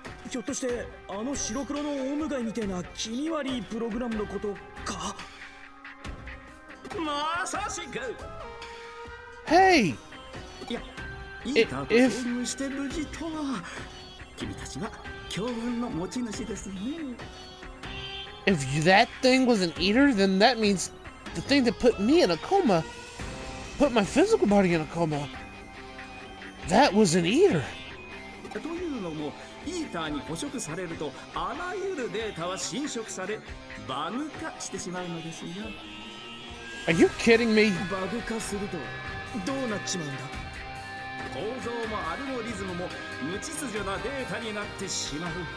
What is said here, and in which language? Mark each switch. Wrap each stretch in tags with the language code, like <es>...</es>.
<ja>ひょっとしてあの白黒のオウムガイみたいな気味悪いプログラムのことか？まさしく。</ja> <en>Hey。</en> <ja>いや、イーターと遭遇して無事とは、君たちは強運の持ち主ですね。</ja> <en>If that thing was an eater, then that means the thing that put me in a coma, put my physical body in a coma, that was an eater.</en> <ja>というのも。イーターに捕食されるとあらゆるデータは侵食されバグ化してしまうのですよ。</ja> <en>Are you kidding me?</en> <ja>バグ化するとどうなっちまうんだ？構造もアルゴリズムも無秩序なデータになってしまう。</ja>